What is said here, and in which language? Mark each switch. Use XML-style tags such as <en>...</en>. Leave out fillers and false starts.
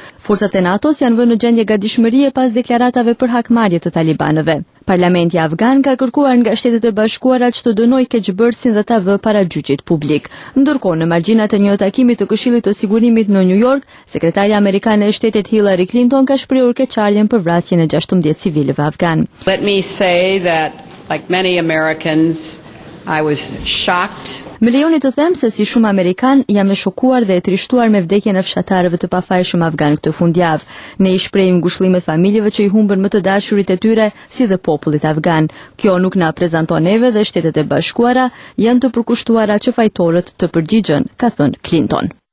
<sq>Forcat e NATO-s janë vënë në gjendje gatishmërie pas deklaratave për hakmarrje të talibanëve. Parlamenti afgan ka kërkuar nga Shtetet e Bashkuara që të dënoj keqbërësin dhe ta vë para gjyqit publik. Ndërkohë, në marginat e një takimi të Këshillit të Sigurimit në New York, sekretari amerikan e shtetit Hillary Clinton ka shprehur keqardhjen për vrasjen e 16 civilëve afgan.</sq> <en>Let me say that like many Americans I was shocked.</en> <sq>Me lejoni të them se si shumë amerikan jam e shokuar dhe e trishtuar me vdekjen e fshatarëve të pafajshëm afgan këtë fundjavë. Ne i shprehim ngushëllimet familjeve që i humbën më të dashurit e tyre, si dhe popullit afgan. Kjo nuk na prezanton neve dhe Shtetet e Bashkuara janë të përkushtuara që fajtorët të përgjigjen, ka thënë Clinton.</sq>